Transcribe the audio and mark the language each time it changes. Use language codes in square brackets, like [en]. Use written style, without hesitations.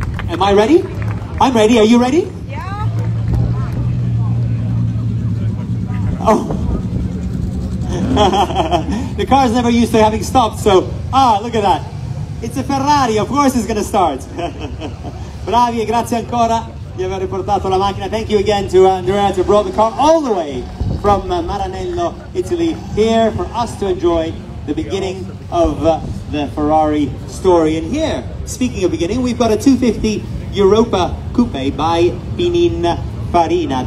[en] Am I ready? I'm ready. Are you ready? Yeah. Oh. The car's never used to having stopped, so... Ah, look at that. It's a Ferrari. Of course it's going to start. [it] Bravi, grazie ancora di aver portato la macchina. [en] Thank you again to Andrea to brought the car all the way from Maranello, Italy, here for us to enjoy the beginning of the Ferrari story. And here, speaking of beginning, we've got a 250 Europa Coupe by Pininfarina.